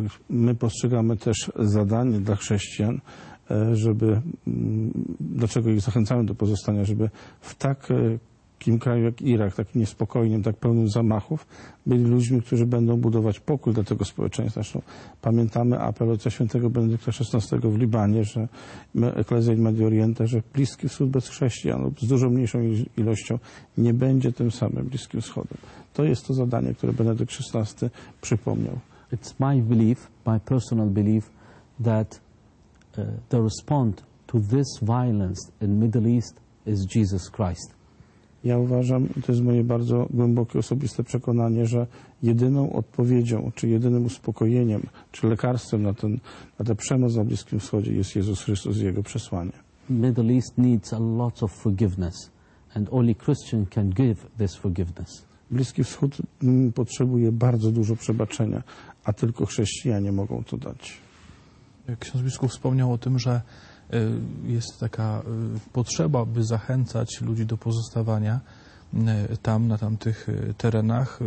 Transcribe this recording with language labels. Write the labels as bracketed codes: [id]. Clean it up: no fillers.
[pl] My postrzegamy też zadanie dla chrześcijan, żeby, do czego ich zachęcamy do pozostania, żeby w takim kraju jak Irak, takim niespokojnym, tak pełnym zamachów, byli ludźmi, którzy będą budować pokój dla tego społeczeństwa. Zresztą pamiętamy apel Ojca Świętego Benedykta XVI w Libanie, że Eklezja in Medio Oriente, że Bliski Wschód bez chrześcijan lub z dużo mniejszą ilością nie będzie tym samym Bliskim Wschodem. To jest to zadanie, które Benedykt XVI przypomniał. [en] It's my belief, my personal belief, that the response to this violence in Middle East is Jesus Christ. [pl] Ja uważam, to jest moje bardzo głębokie osobiste przekonanie, że jedyną odpowiedzią, czy jedynym uspokojeniem, czy lekarstwem na ten, na tę przemoc na Bliskim Wschodzie jest Jezus Chrystus i Jego przesłanie. [en] Middle East needs a lot of forgiveness, and only Christian can give this forgiveness. [pl] Bliski Wschód potrzebuje bardzo dużo przebaczenia, a tylko chrześcijanie mogą to dać. Ksiądz biskup wspomniał o tym, że jest taka potrzeba, by zachęcać ludzi do pozostawania tam, na tamtych terenach.